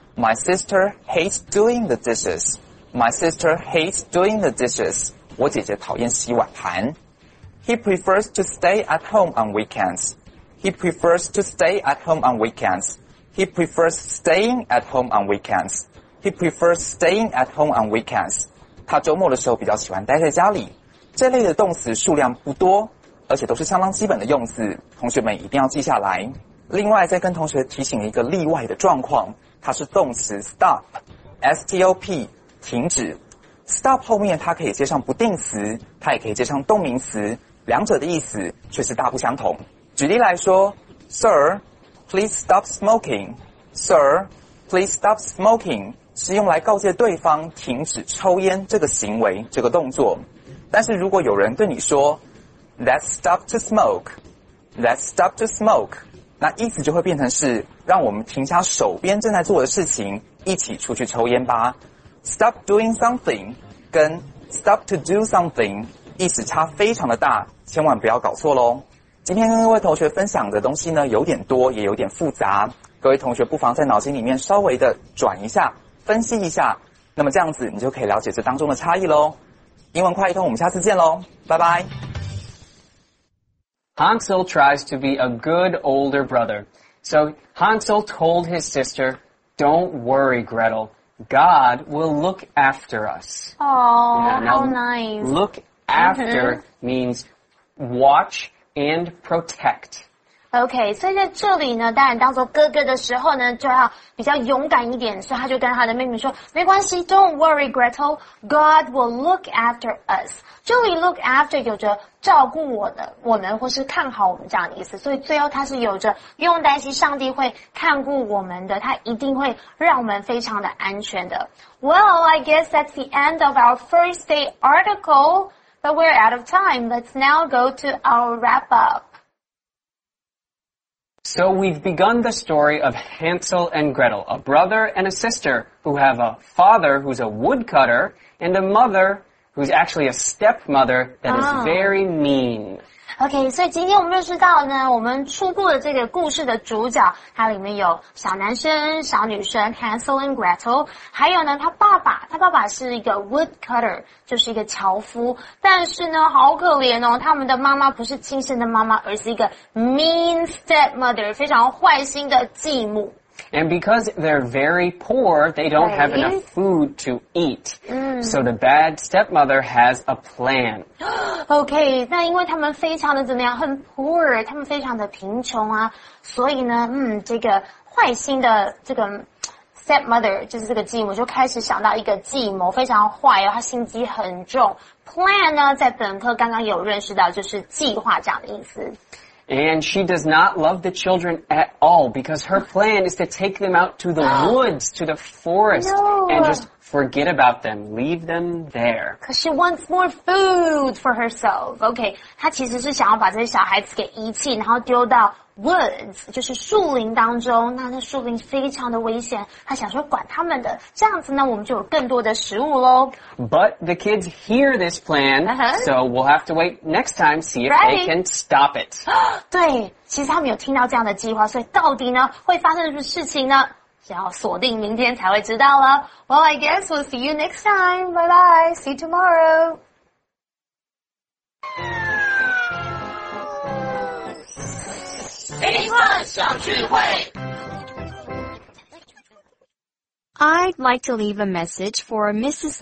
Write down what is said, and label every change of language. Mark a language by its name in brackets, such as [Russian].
[English] My sister hates doing the dishes. My sister hates doing the dishes. [Chinese] 我姐姐讨厌洗碗盘。 [English] He prefers to stay at home on weekends. He prefers to stay at home on weekends. He prefers staying at home on weekends. He prefers staying at home on weekends. [Chinese] 他周末的时候比较喜欢待在家里。这类的动词数量不多，而且都是相当基本的用字，同学们一定要记下来。另外，再跟同学提醒一个例外的状况，它是动词 stop, S-T-O-P, 停止。 Stop 后面它可以接上不定词，它也可以接上动名词，两者的意思却是大不相同。举例来说 [English] Sir, please stop smoking. Sir, please stop smoking [Chinese] 是用来告诫对方停止抽烟这个行为，这个动作。但是如果有人对你说 [English] Let's stop to smoke. Let's stop to smoke. [Chinese] 那意思就会变成是让我们停下手边正在做的事情，一起出去抽烟吧。 [English] Stop doing something [Chinese] 跟 [English] stop to do something [Chinese] 意思差非常的大，千万不要搞错咯。今天跟各位同学分享的东西呢，有点多也有点复杂，各位同学不妨在脑筋里面稍微的转一下，分析一下，那么这样子你就可以了解这当中的差异咯。英文快一通，我们下次见咯，拜拜。 [English] Hansel tries to be a good older brother. So Hansel told his sister, Don't worry, Gretel. God will look after us. Oh, how nice. Look after means watch and protect. [Chinese] Okay, 所以在这里呢，当然当做哥哥的时候呢，就要比较勇敢一点，所以他就跟他的妹妹说，没关系， [English] Don't worry, Gretel. God will look after us. [Chinese] 这里 look after 有着照顾我们或是看好我们这样的意思，所以最后他是有着不用担心上帝会看顾我们的，他一定会让我们非常的安全的。 [English] Well, I guess that's the end of our first day article, but we're out of time. Let's now go to our wrap up. So we've begun the story of Hansel and Gretel, a brother and a sister who have a father who's a woodcutter and a mother who's actually a stepmother that is very mean. [Chinese] Okay, 所以今天我们认识到呢，我们初步的这个故事的主角，它里面有小男生、小女生 Hansel and Gretel, 还有呢，他爸爸是一个 woodcutter, 就是一个樵夫，但是呢，好可怜哦，他们的妈妈不是亲生的妈妈，而是一个 [English] mean stepmother, [Chinese] 非常坏心的继母。 [English] And because they're very poor, they don't have enough food to eat. So the bad stepmother has a plan. [Chinese] Okay, 那因为他们非常的怎么样，很 poor, 他们非常的贫穷啊，所以呢，这个坏心的这个 stepmother, 就是这个继母，就开始想到一个计谋，非常坏，她心机很重。 Plan 呢，在本课刚刚有认识到，就是计划这样的意思。 [English] And she does not love the children at all because her plan is to take them out to the woods, to the forest, and just forget about them, leave them there. Because she wants more food for herself. [Chinese] Okay, 她其实是想要把这些小孩子给遗弃，然后丢到 woods, 就是树林当中。那树林非常的危险，她想说管他们的，这样子呢，我们就有更多的食物咯。 [English] But the kids hear this plan, so we'll have to wait next time, see if they can stop it. [Chinese] 对，其实他们有听到这样的计划，所以到底呢，会发生什么事情呢？要锁定明天才会知道了。 [English] Well, I guess we'll see you next time. Bye bye. See you tomorrow. I'd like to leave a message for Mrs.